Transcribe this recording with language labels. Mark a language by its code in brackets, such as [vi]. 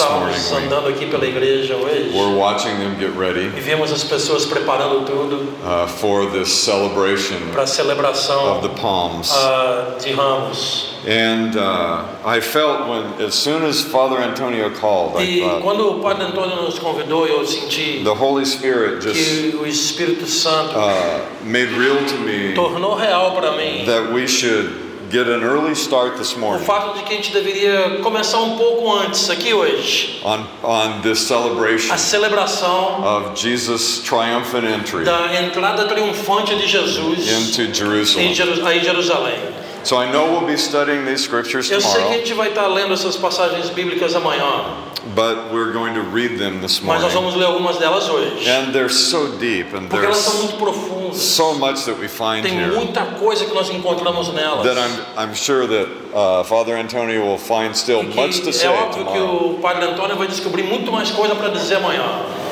[en] morning, [pt] nós estávamos andando aqui pela igreja hoje. [en] We're watching them get ready. [pt] E vemos as pessoas preparando tudo. [en] For this celebration. [pt] Para a celebração [en] of the palms. [pt] De Ramos. [en] And I felt when, as soon as Father Antonio called, [pt] e quando o Padre Antônio nos convidou, eu senti [en] the Holy Spirit just, [pt] que o Espírito Santo [en] made real to me, [pt] tornou real para mim, [en] that we should get an early start this morning, [pt] o fato de que a gente deveria começar um pouco antes aqui hoje, [en] on this celebration, [pt] a celebração [en] of Jesus' triumphant entry, [pt] da entrada triunfante de Jesus [en] into Jerusalem. [pt] Em Jerusalém. [en] So I know we'll be studying these scriptures tomorrow. [pt] Eu sei que a gente vai estar lendo essas passagens bíblicas amanhã. [en] But we're going to read them this morning. [pt] Mas nós vamos ler algumas delas hoje. [en] And they're so deep, and [pt] porque elas são muito profundas. [en] So much that we find [pt] tem [en] here. [pt] Tem muita coisa que nós encontramos nelas. [en] That I'm sure that Father Antonio will find still much to [pt] é [en] say tomorrow. [pt] É óbvio que o Padre Antônio vai descobrir muito mais coisa para dizer amanhã.